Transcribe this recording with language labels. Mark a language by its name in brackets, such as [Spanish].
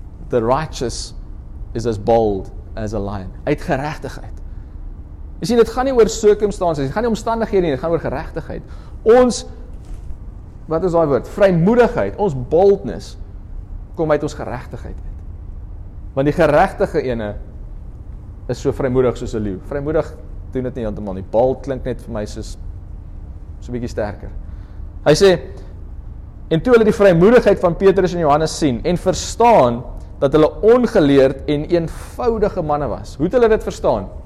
[English] The righteous is as bold as a lion. [Afrikaans] Uit geregtigheid. Jy sien, dit gaan nie oor circumstances, dit gaan nie omstandighede nie, dit gaan oor geregtigheid. Ons, wat is daai woord? Vrymoedigheid, ons boldness, kom uit ons geregtigheid uit. Want die geregtige ene is so vrymoedig soos 'n leeu. Vrymoedig doen dit nie heeltemal nie. Bold klink net vir my soos so 'n bietjie sterker. Hy sê, en toe hulle die vrymoedigheid van Petrus en Johannes sien en verstaan dat hulle ongeleerd en eenvoudige manne was. Hoe het hulle dit verstaan?